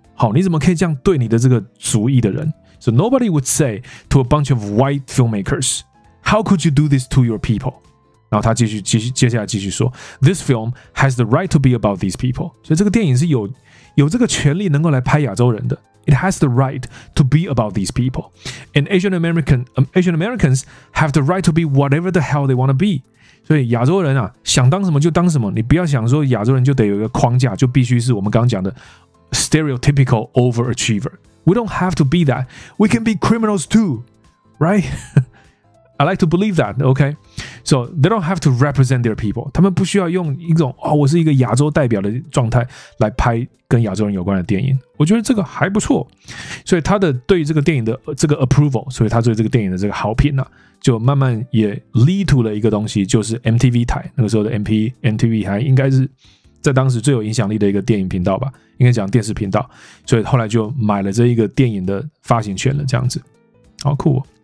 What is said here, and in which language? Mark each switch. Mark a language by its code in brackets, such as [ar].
[zh] 好，你怎么可以这样对你的这个族裔的人？ [en] So nobody would say to a bunch of white filmmakers, how could you do this to your people? [zh] 然后他接下来继续说， [en] This film has the right to be about these people. [zh] 所以这个电影是有这个权利能够来拍亚洲人的。 [en] It has the right to be about these people. And Asian Americans have the right to be whatever the hell they want to be. [zh] 所以亚洲人啊，想当什么就当什么，你不要想说亚洲人就得有一个框架，就必须是我们刚讲的 [en] stereotypical overachiever. We don't have to be that. We can be criminals too, right? I like to believe that, okay? So they don't have to represent their people. [zh] 他们不需要用一种、哦、我是一个亚洲代表的状态来拍跟亚洲人有关的电影。我觉得这个还不错。所以他的对于这个电影的这个 approval, 所以他对这个电影的这个好评啊，就慢慢也 lead to 了一个东西，就是 MTV 台，那个时候的 MTV 还应该是在当时最有影响力的一个电影频道吧，应该讲电视频道，所以后来就买了这一个电影的发行权了，这样子，好酷、哦。